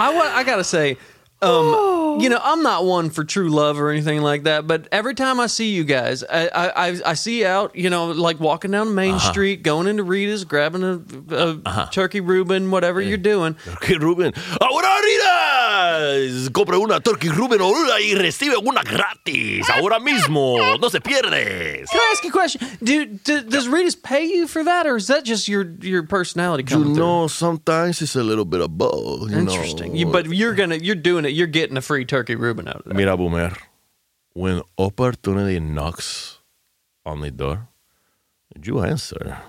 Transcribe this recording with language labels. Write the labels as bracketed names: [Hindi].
[English] I gotta say, you know, I'm not one for true love or anything like that, but every time I see you guys, I see you out, you know, like walking down Main Street, going into Rita's, grabbing a turkey Reuben, whatever you're doing. [Spanish] Turkey Reuben. Ahora Rita's! Compra una turkey Reuben y recibe una gratis. Ahora mismo. No se pierdes. [English] Can I ask you a question? Does Rita's pay you for that, or is that just your personality coming You know, sometimes it's a little bit of both. Interesting. Know. You're doing it. You're getting a free turkey Reuben out of that. Mira, Boomer, when opportunity knocks on the door, you answer.